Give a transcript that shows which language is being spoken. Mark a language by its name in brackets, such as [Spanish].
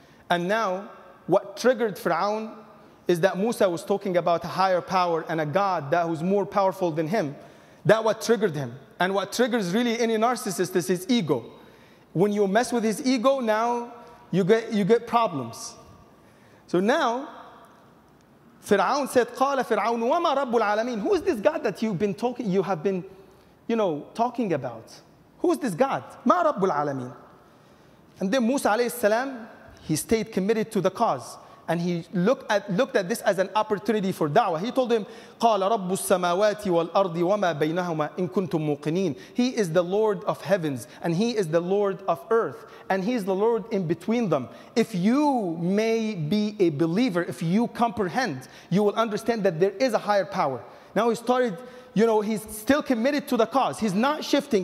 [English] And now, what triggered Fir'aun is that Musa was talking about a higher power and a God that was more powerful than him. That what triggered him. And what triggers really any narcissist is his ego. When you mess with his ego, now you get problems. So now, Fir'aun said, [Arabic] قَالَ فِرْعَوْنُ وَمَا رَبُّ الْعَالَمِينَ. [English] Who is this God that you have been talking about? Who is this God? [Arabic] مَا رَبُّ الْعَالَمِينَ. [English] And then Musa alayhi salam, he stayed committed to the cause. And he looked at this as an opportunity for da'wah. He told him, [Arabic] قَالَ رَبُّ السَّمَاوَاتِ وَالْأَرْضِ وَمَا بَيْنَهُمَا إِن كُنْتُم مُوقِنِينَ. [English] He is the Lord of heavens, and he is the Lord of earth, and he is the Lord in between them. If you may be a believer, if you comprehend, you will understand that there is a higher power. Now he started, you know, he's still committed to the cause. He's not shifting.